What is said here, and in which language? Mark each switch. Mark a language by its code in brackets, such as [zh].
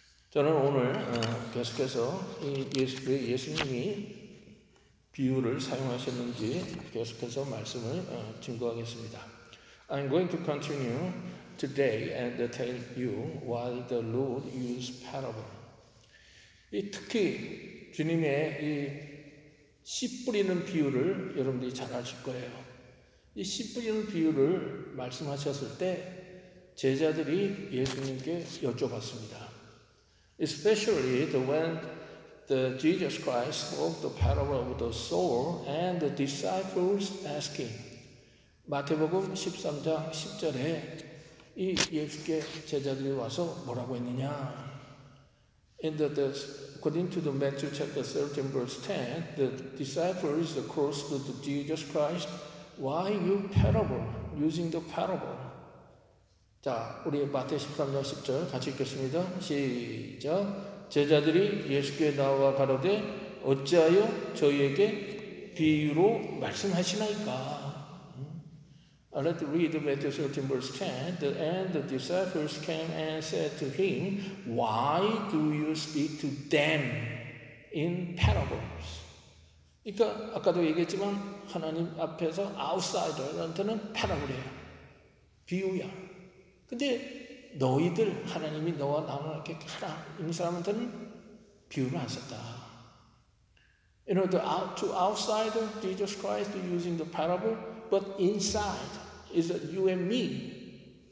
[ko] 저는 오늘 계속해서 예수님이 비유를 사용하셨는지 계속해서 말씀을 증거하겠습니다. [en] I'm going to continue today and tell you why the Lord used parable. [ko] 이 특히 주님의 이 씨 뿌리는 비유를 여러분들이 잘 아실 거예요. 이 씨 뿌리는 비유를 말씀하셨을 때 제자들이 예수님께 여쭤봤습니다. [en] Especially when the Jesus Christ spoke the parable of the sower and the disciples asking. 마태복음 13장 10절에 이 예수께 제자들이 와서 뭐라고 했느냐? According to the Matthew chapter 13 verse 10, the disciples crossed to Jesus Christ Why you parable? Using the parable. [ko] 자, 우리 마태 13장 10절 같이 읽겠습니다. 시작. 제자들이 예수께 나와 가로되 어찌하여 저희에게 비유로 말씀하시나이까? [en] Let's read Matthew 13 verse 10. And the disciples came and said to him, Why do you speak to them in parables? [ko] 그러니까 아까도 얘기했지만 하나님 앞에서 아웃사이더한테는 parable이야. 비유야. 근데 너희들 하나님이 너와 나와 이렇게 하라 이 사람한테는 비유를 안 썼다. [en] You know, to outsider, Jesus Christ using the parable, but inside is you and me.